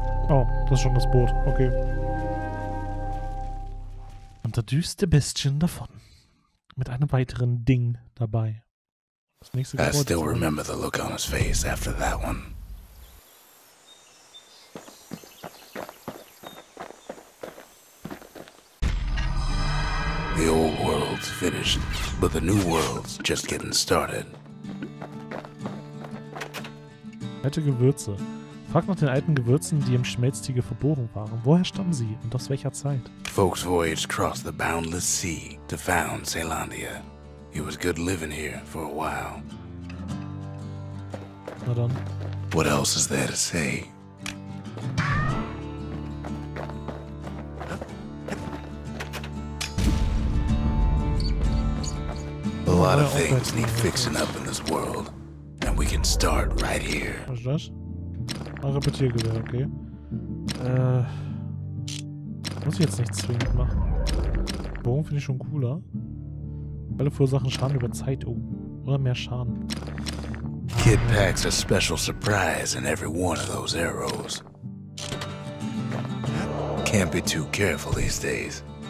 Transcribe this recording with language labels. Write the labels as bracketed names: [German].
[German] Oh, das ist schon das Boot. Okay. Und da düste Bestien davon. Mit einem weiteren Ding dabei. Das nächste Gebäude. [English] I still remember the look on his face after that one. The old world's finished, but the new world's just getting started. [German] Alte Gewürze. Frag nach den alten Gewürzen, die im Schmelztiegel verborgen waren. Woher stammen sie und aus welcher Zeit? [English] Folks voyaged across the boundless sea to found Ceylandia. It was good living here for a while. [German] Na dann. [English] What else is there to say? A lot of things need fixing up in this world, and we can start right here. [German] Was ist das? Ein Repetiergewehr, okay. Muss ich jetzt nicht zwingend machen. Bogen finde ich schon cooler. Alle verursachen Schaden über Zeit, oh. Oder mehr Schaden. [English] Kid packs a special surprise in every one of those arrows. Can't be too careful these days.